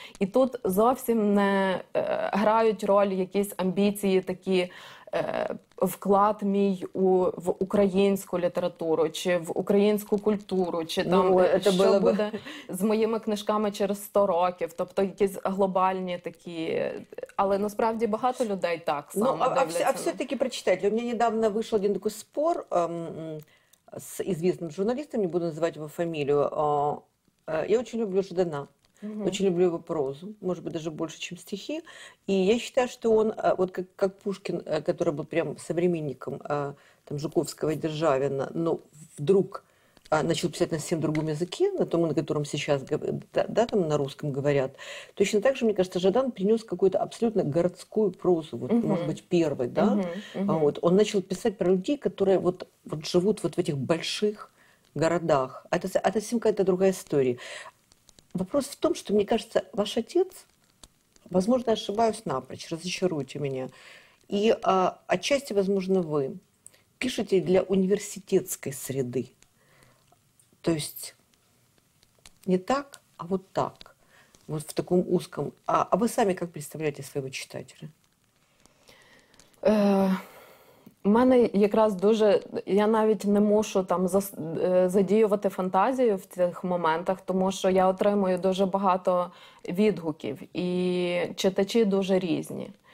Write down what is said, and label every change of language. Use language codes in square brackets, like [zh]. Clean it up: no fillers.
[uk] І тут зовсім не грають роль якісь амбіції такі, вклад мій в українську літературу, чи в українську культуру, чи там, ну, що було буде з моїми книжками через 100 років. Тобто якісь глобальні такі. Але насправді багато людей так само дивляться. А все-таки прочитайте. У мене недавно вийшов один такий спор з ізвісним журналістом, не буду називати його фамілію. Я дуже люблю Ждана. [ru] Очень люблю его прозу, может быть, даже больше, чем стихи. И я считаю, что он, вот как Пушкин, который был прям современником там, Жуковского и Державина, но вдруг начал писать на совсем другом языке, на том, на котором сейчас, да, там на русском говорят. Точно так же, мне кажется, Жадан принес какую-то абсолютно городскую прозу, вот, может быть, первой. Да? Вот. Он начал писать про людей, которые вот живут вот в этих больших городах. Это совсем какая-то другая история. Вопрос в том, что, мне кажется, ваш отец, возможно, ошибаюсь напрочь, разочаруйте меня, и отчасти, возможно, вы пишете для университетской среды. То есть не так, а вот так, вот в таком узком. А вы сами как представляете своего читателя? [uk] У мене якраз дуже, я навіть не мушу там задіювати фантазію в цих моментах, тому що я отримую дуже багато відгуків, і читачі дуже різні.